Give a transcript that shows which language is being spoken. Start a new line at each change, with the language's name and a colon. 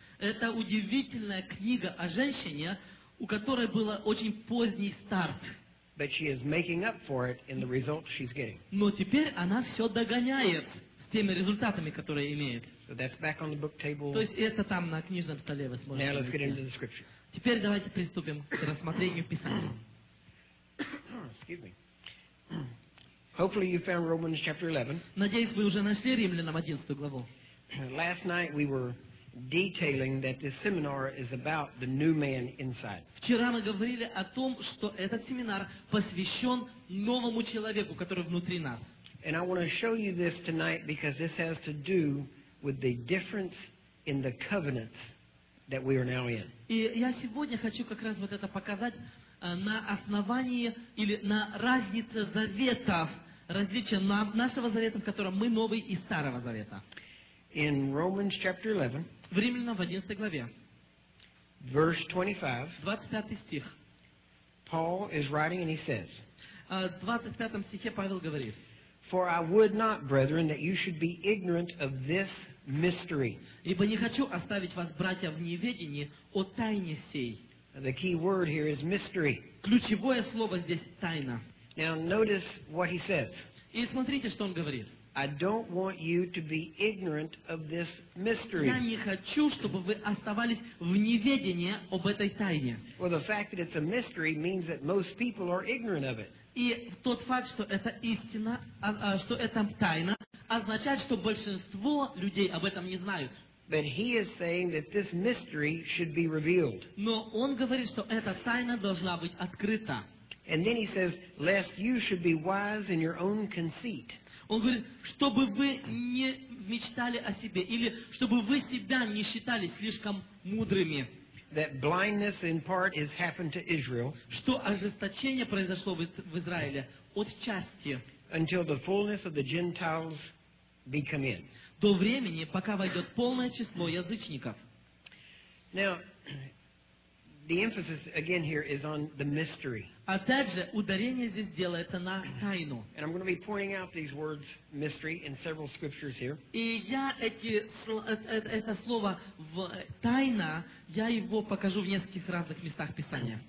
Russian: Это удивительная книга о женщине, у которой был очень поздний старт.
English: But she is making up for it in the results she's getting.
Russian: Но теперь она все догоняет с теми результатами, которые имеет.
English: So that's back on the book table.
Russian: То есть это там на книжном столе вы сможете.
English: Now let's get into the scripture.
Russian: Теперь давайте приступим к рассмотрению Писания.
English: Excuse me. Hopefully you found Romans chapter 11.
Russian: Надеюсь, вы уже нашли Римлянам 11 главу.
English: Last night we were detailing that this seminar is about the new man inside.
Russian: Вчера мы говорили о том, что этот семинар посвящен новому человеку, который внутри нас.
English: And I want to show you this tonight because this has to do with the difference in the covenants that we are now in.
Russian: И я сегодня хочу как раз вот это показать на основании или на разнице заветов, различия нашего завета, в котором мы новый, и старого завета.
English: In Romans chapter 11,
Russian: в Римлянам 11 главе,
English: verse 25
Russian: стих,
English: Paul is writing and he says,
Russian: 25 стихе Павел говорит,
English: For I would not, brethren, that you should be ignorant of this mystery.
Russian: Ибо не хочу оставить вас, братья, в неведении о тайне сей.
English: The key word here is mystery.
Russian: Ключевое слово здесь тайна.
English: Now notice what he says.
Russian: И смотрите, что он говорит.
English: I don't want you to be ignorant of this mystery.
Russian: Я не хочу, чтобы вы оставались в неведении об этой тайне.
English: Well, the fact that it's a mystery means that most people are ignorant of it.
Russian: И тот факт, что это истина, что это тайна, означает, что большинство людей об этом не знают.
English: But he is saying that this mystery should be revealed.
Russian: Но он говорит, что эта тайна должна быть открыта.
English: And then he says, lest you should be wise in your own conceit.
Russian: Он говорит, чтобы вы не мечтали о себе, или чтобы вы себя не считали слишком мудрыми.
English: That blindness in part has happened to Israel.
Russian: Что ожесточение произошло в Израиле отчасти.
English: Until the fullness of the Gentiles become in.
Russian: До времени, пока войдет полное число язычников.
English: Now, the emphasis again here is on the mystery.
Russian: Опять же, ударение здесь делается на тайну.
English: And I'm going to be pointing out these words mystery in several scriptures here.
Russian: И я это слово тайна, я его покажу в нескольких разных местах Писания.